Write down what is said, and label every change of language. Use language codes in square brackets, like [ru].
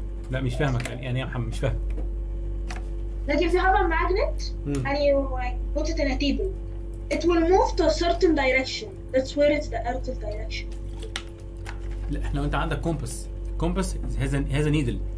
[ar] لا مش فاهمك يعني يا محمد، مش فاهم. [en] Like if you have a magnet and you like put it in a table, it will move to a certain direction. That's where it's the earth's direction. [ar] لا احنا وانت عندك كومبس، كومبس [en] has a needle.